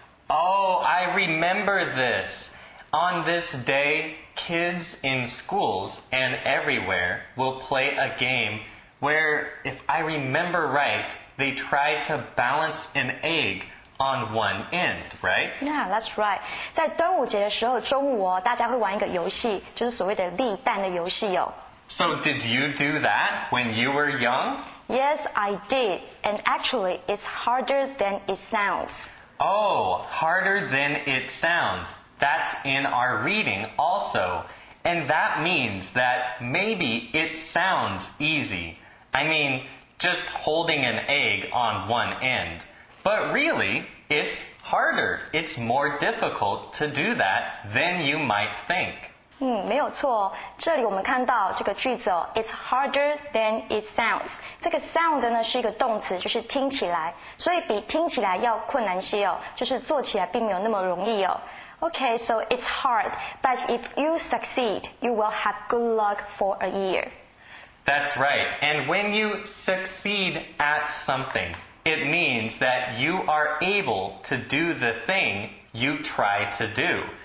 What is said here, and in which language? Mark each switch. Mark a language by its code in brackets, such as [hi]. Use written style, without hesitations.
[en] Oh, I remember this. On this day, kids in schools and everywhere will play a game where, if I remember right, they try to balance an egg on one end, right? Yeah, that's right. [zh] 在端午节的时候，中午哦，大家会玩一个游戏，就是所谓的立蛋的游戏哦。 [en] So did you do that when you were young? Yes, I did. And actually, it's harder than it sounds. Oh, harder than it sounds. That's in our reading also. And that means that maybe it sounds easy. I mean, just holding an egg on one end. But really, it's harder. It's more difficult to do that than you might think. [zh] 没有错哦。这里我们看到这个句子哦 ， [en] It's harder than it sounds。 [zh] 这个 sound 呢是一个动词，就是听起来，所以比听起来要困难些哦，就是做起来并没有那么容易哦。 [en] Okay, so it's hard, but if you succeed, you will have good luck for a year. That's right. And when you succeed at something, it means that you are able to do the thing you try to do.